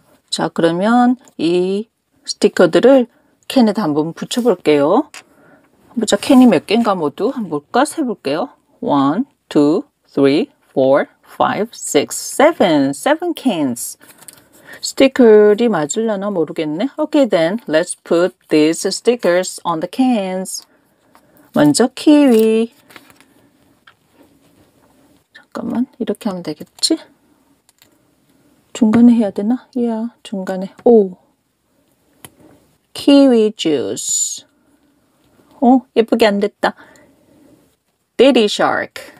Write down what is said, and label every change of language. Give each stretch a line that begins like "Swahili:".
Korean: 자, 그러면 이 스티커들을 캔에다 한번 붙여볼게요. 자, 캔이 몇 개인가 모두 한번 볼까? 세볼게요. 1, 2, 3, 4, 5, 6, 7.
English: 7 cans.
Korean: 스티커들이 맞으려나 모르겠네.
English: Okay, then let's put these stickers on the cans.
Korean: 먼저 키위. 잠깐만, 이렇게 하면 되겠지? 중간에 해야 되나? 중간에. 키위 주스. 예쁘게 안 됐다. 데디 샤크.